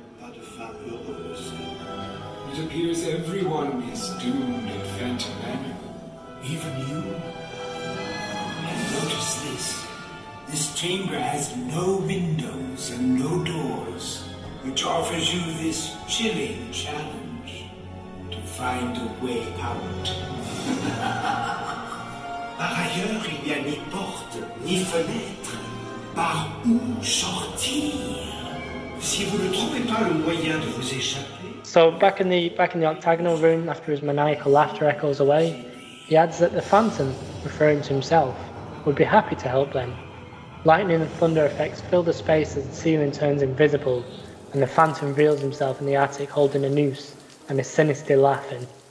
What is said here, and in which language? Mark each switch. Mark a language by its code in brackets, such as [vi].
[en] It appears everyone is doomed at Phantom Manor. Even you. And notice this. This chamber has no windows and no doors, which offers you this chilling challenge to find a way out. [fr] Par ailleurs, il n'y a ni porte ni fenêtre. Par où sortir? Si vous ne trouvez pas le moyen de vous échapper. [en] So back in the octagonal room, after his maniacal laughter echoes away, he adds that the Phantom, referring to himself, would be happy to help them. Lightning and thunder effects fill the space as the ceiling turns invisible, and the Phantom reveals himself in the attic holding a noose and is sinister laughing.